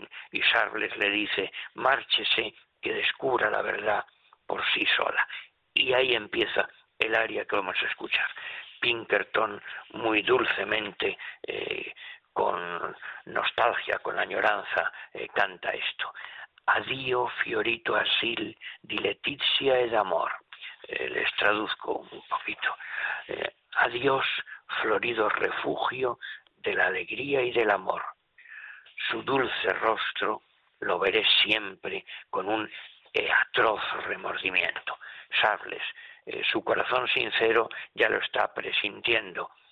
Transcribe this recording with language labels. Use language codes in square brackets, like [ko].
[es] Y Sharpless le dice: márchese, que descubra la verdad por sí sola. Y ahí empieza el aria que vamos a escuchar. Pinkerton, muy dulcemente, con nostalgia, con añoranza, canta esto. [it] Adio fiorito asil, di letizia ed amor. [es] Les traduzco un poquito. Adiós, florido refugio de la alegría y del amor. Su dulce rostro lo veré siempre con un atroz remordimiento. Charles, su corazón sincero ya lo está presintiendo.